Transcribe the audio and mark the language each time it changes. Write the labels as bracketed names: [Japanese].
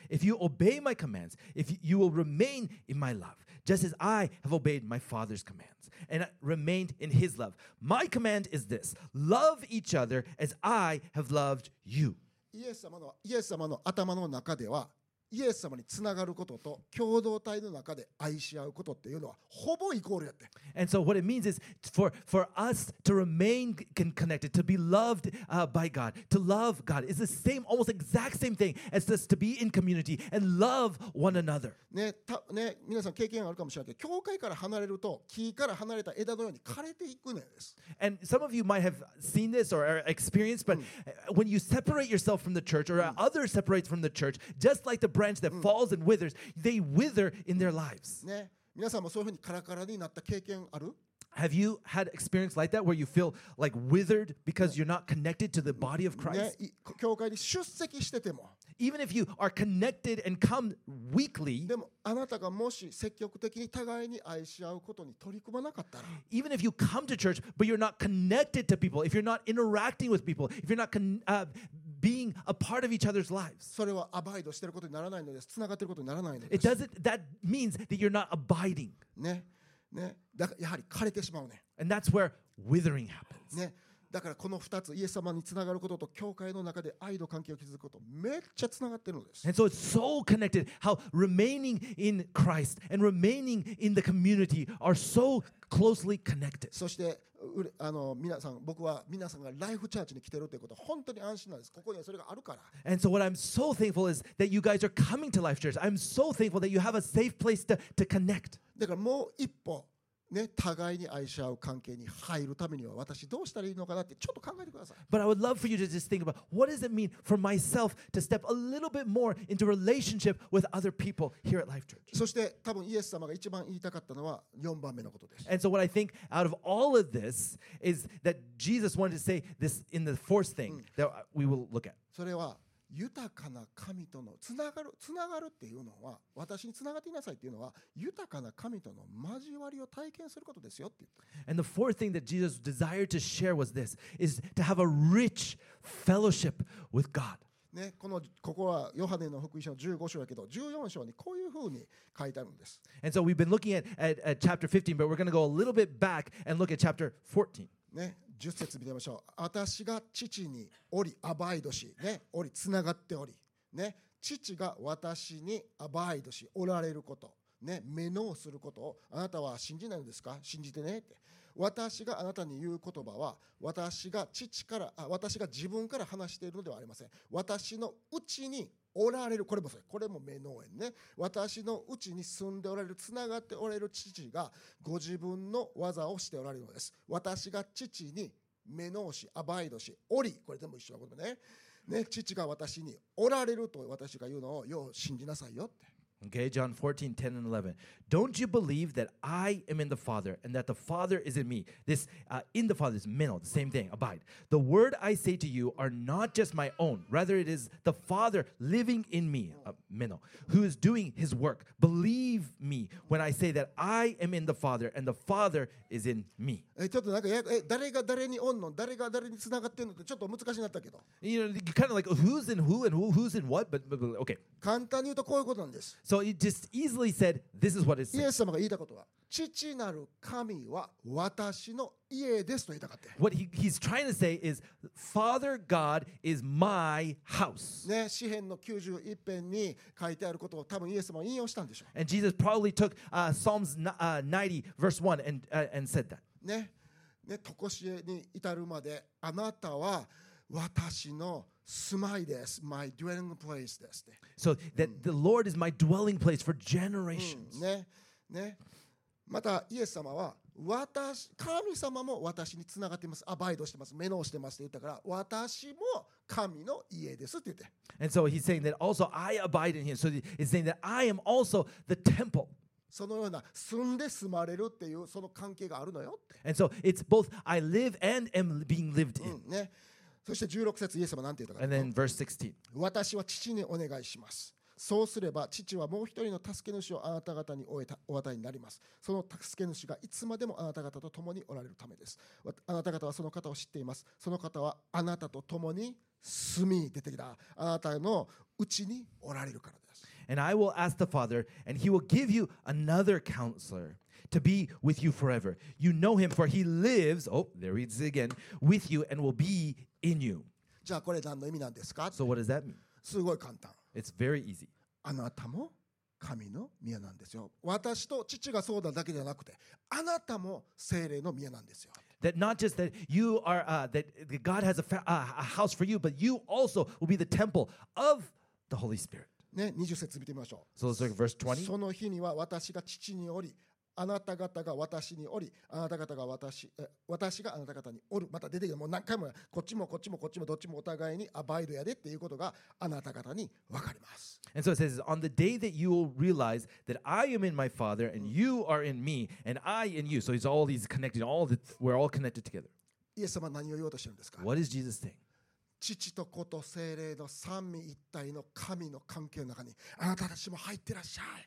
[English] If you obey my commands, if you will remain in my love, just as I have obeyed my father's commands and remained in his love. My command is this, love each other as I have loved you. [Japanese] イエス様の頭の中ではイエス様につながることと共同体の中で愛し合うことっていうのはほぼイコールやって。 [English] And so what it means is for us to remain connected, to be loved by God, to love God is the same, almost exact same thing as just to be in community and love one another. [Japanese] ね、皆さん経験あるかもしれないけど、教会から離れると木から離れた枝のように枯れていくんです。 [English] And some of you might have seen this or experienced, but when you separate yourself from the church or others separate from the church, just like the branch that falls and withers, they wither in their lives. [Japanese] ね、皆さんもそういうふうにカラカラになった経験ある? [English] Have you had experience like that where you feel like withered because you're not connected to the body of Christ? [Japanese] ね、教会に出席してても。 [English] Even if you are connected and come weekly, [Japanese] でもあなたがもし積極的に互いに愛し合うことに取り組まなかったら、 [English] Even if you come to church but you're not connected to people, if you're not interacting with people, if you're not being a part of each other's lives, [Japanese] それはアバイドしてることにならないのです。つながってることにならないのです。 [English] It doesn't. That means that you're not abiding. [Japanese] ね、ね、だからやはり枯れてしまうね。 [English] And that's where withering happens. [Japanese] ね。だからこの2つイエス様につながることと教会の中で愛の関係を築くことめっちゃつながってるのです。 [English] And so it's so connected how remaining in Christ and remaining in the community are so closely connected. [Japanese] そして皆さん僕は皆さんがライフチャーチに来てるということ本当に安心なんです。ここにはそれがあるから。 [English] And so what I'm so thankful is that you guys are coming to Life Church. I'm so thankful that you have a safe place to connect. [Japanese] だからもう一歩ね、互いに愛し合う関係に入るためには私どうしたらいいのかなってちょっと考えてください。 [English] But I would love for you to just think about what does it mean for myself to step a little bit more into relationship with other people here at Life Church. [Japanese] そして多分イエス様が一番言いたかったのは4番目のことです。 [English] And so what I think out of all of this is that Jesus wanted to say this in the fourth thing that we will look at. [Japanese] それは豊かな神とのつながるっていうのは私につながっていなさいっていうのは豊かな神との交わりを体験することですよって。 [English] And the fourth thing that Jesus desired to share was this is to have a rich fellowship with God. [Japanese] ね、ここはヨハネの福音書の15章だけど14章にこういうふうに書いてあるんです。 [English] And so we've been looking at chapter 15, but we're going to go a little bit back and look at chapter 14. [Japanese] ね、10節見てみましょう。私が父におりアバイドし、ね、おりつながっており、ね、父が私にアバイドしおられること、ね、目のをすることをあなたは信じないのですか？信じてねって。私があなたに言う言葉は私が自分から話しているのではありません。私のうちにおられる、これも目の縁ね。私のうちに住んでおられる、つながっておられる父がご自分の技をしておられるのです。私が父に目のし、アバイドし、おり、これ全部一緒のことね。ね、父が私におられると私が言うのをよう信じなさいよって。 [English] Okay, John 14, 10 and 11. Don't you believe that I am in the Father and that the Father is in me? This in the Father is meno, the same thing, abide. The word I say to you are not just my own. Rather, it is the Father living in me, meno, who is doing his work. Believe me when I say that I am in the Father and the Father is in me. You know, kind of like who's in who and who's in what? But okay. [Japanese] 簡単に言うとこういうことなんです。 [English] So So he just easily said, this is what it's saying. [Japanese] イエス様が言いたことは、父なる神は私の家ですと言いたかった。 [English] What he's trying to say is, Father God is my house. [Japanese] ね、詩篇の91編に書いてあることを多分イエス様は引用したんでしょう。 [English] And Jesus probably took Psalms 90 verse 1 and said that. [Japanese] ね、ね、とこしえに至るまであなたは私の住まいです。 [English] My dwelling place [Japanese] です。 [English] So that the Lord is my dwelling place for generations. [Japanese] ね、ね。またイエス様は私神様も私につながっていますアバイドしてます目のをしてますって言ったから私も神の家ですって言って [English] And so he's saying that also I abide in him so he's saying that I am also the temple [Japanese] そのような住んで住まれるっていうその関係があるのよ [English] And so it's both I live and am being lived in、 [Japanese] ね、そして16節イエス様なんて言ったか [English] And then verse 16 [Japanese] 私は父にお願いしますそうすれば父はもう一人の助け主をあなた方にお与えになります。その助け主がいつまでもあなた方と共におられるためです。あなた方はその方を知っています。その方はあなたと共に住み出てきた。あなたのうちにおられるからです。 [English] And I will ask the Father, and he will give you another counselor to be with you forever. You know him, for he lives, oh, there he is again, with you and will be in you. [Japanese] じゃあこれ何の意味なんですか? [English] So what does that mean? [Japanese] すごい簡単。 [English] It's very easy. [Japanese] あなたも神の宮なんですよ。私と父がそうだだけじゃなくて、あなたも聖霊の宮なんですよ。 [English] That not just that you are that God has a house for you, but you also will be the temple of the Holy Spirit. [Japanese] ね、20節見てみましょう。 [English] So let's look at verse 20. [Japanese] その日には私が父におり、あなた方が私におり、あなた方が私があなた方におる。また出てきた。もう何回もこっちもこっちもこっちもどっちもお互いにアバイドやでっていうことがあなた方に分かります。 [English] And so it says, on the day that you will realize that I am in my Father and you are in me and I in you. So it's all these connected, all the, we're all connected together. [Japanese] イエス様何を言おうとしてるんですか? [English] What is Jesus saying? [Japanese] 父と子と聖霊の三位一体の神の関係の中にあなたたちも入ってらっしゃい。